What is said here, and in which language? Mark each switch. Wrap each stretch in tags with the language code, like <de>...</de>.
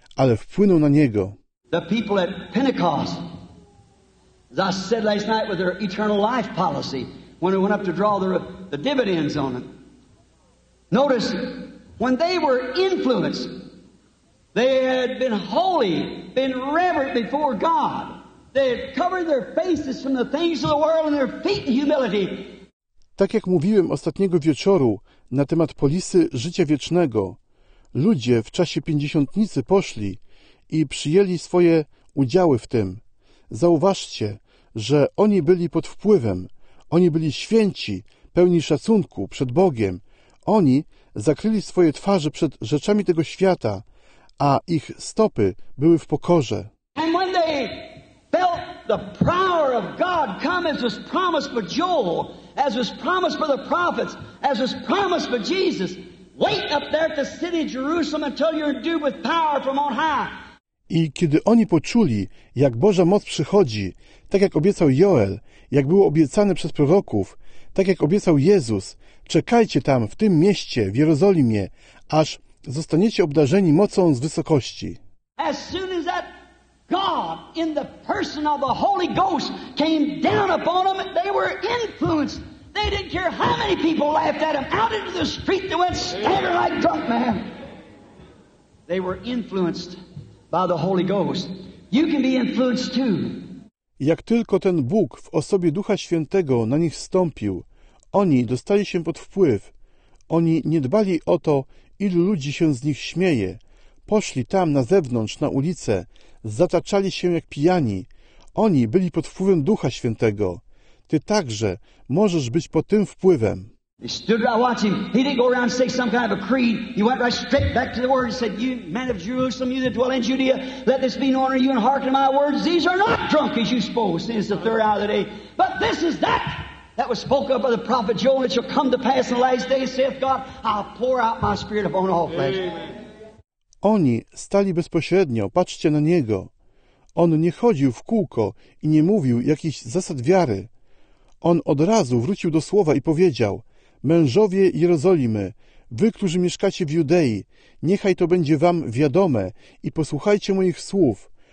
<pl>Ale wpłynął na niego.</pl> <en>The people at Pentecost, as I said last night with their eternal life policy, when it went up to draw the dividends on them. Notice, when they were influenced, they had been holy, been reverent before God. They had covered their faces from the things of the world and their feet in humility.</en> <pl>Tak jak mówiłem ostatniego wieczoru na temat polisy życia wiecznego, ludzie w czasie Pięćdziesiątnicy poszli i przyjęli swoje udziały w tym. Zauważcie, że oni byli pod wpływem. Oni byli święci, pełni szacunku przed Bogiem. Oni zakryli swoje twarze przed rzeczami tego świata, a ich stopy były w pokorze.</pl> <en>And when they felt the power of God come as was promised for Joel, as was promised for the prophets, as was promised for Jesus, wait up there at the city Jerusalem until you're endued with power from on high.</en> <pl>I kiedy oni poczuli, jak Boża moc przychodzi, tak jak obiecał Joel, jak było obiecane przez proroków, tak jak obiecał Jezus, czekajcie tam, w tym mieście, w Jerozolimie, aż zostaniecie obdarzeni mocą z wysokości.</pl> <en>As soon as that God in the person of the Holy Ghost came down upon them, they were influenced. They didn't care how many people laughed at him. Out into the street they went staggering like drunk men. They were influenced by the Holy Ghost. You can be influenced too.</en> <pl>Jak tylko ten Bóg w osobie Ducha Świętego na nich wstąpił, oni dostali się pod wpływ. Oni nie dbali o to, ilu ludzi się z nich śmieje. Poszli tam na zewnątrz, na ulicę, zataczali się jak pijani. Oni byli pod wpływem Ducha Świętego. Ty także możesz być pod tym wpływem.</pl> <en>They stood right watching. He didn't go around and say some kind of a creed. He went right straight back to the word and said, "You men of Jerusalem, you that dwell in Judea, let this be known to you and hearken to my words. These are not drunk as you suppose, since it's the third hour of the day. But this is that was spoken of by the prophet Joel, it shall come to pass in the last days, saith God, I'll pour out my spirit upon all flesh."</en> <pl>Oni stali bezpośrednio, patrzcie na niego. On nie chodził w kółko i nie mówił jakichś zasad wiary. On od razu wrócił do słowa i powiedział: mężowie Jerozolimy, wy, którzy mieszkacie w Judei, niechaj to będzie wam wiadome i posłuchajcie moich słów.</pl>